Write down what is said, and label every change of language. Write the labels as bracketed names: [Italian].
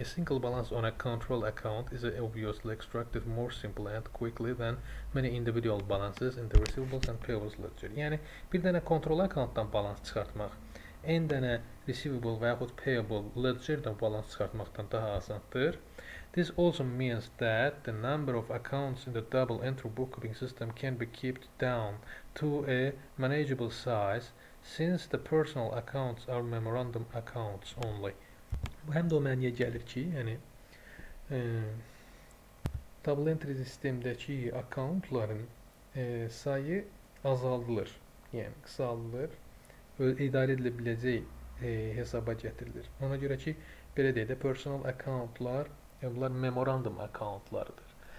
[English] A single balance on a control account is obviously extracted more simply and quickly than many individual balances in the receivables and payables ledger. [Azerbaijani] Yəni, bir dənə control account-dan balans çıxartmaq N dənə receivable və yaxud payable ledger-də balans çıxartmaqdan daha asandır. [English] This also means that the number of accounts in the double entry bookkeeping system can be kept down to a manageable size since the personal accounts are memorandum accounts only. [Azerbaijani] Bu həm də o mənəyə gəlir ki, yəni double entry sistemdəki accountların sayı azaldılır, yəni qısaldılır, idarə edilə biləcək hesaba gətirilir. Ona görə ki, belə deyək də, personal accountlar bunlar memorandum accountlardır.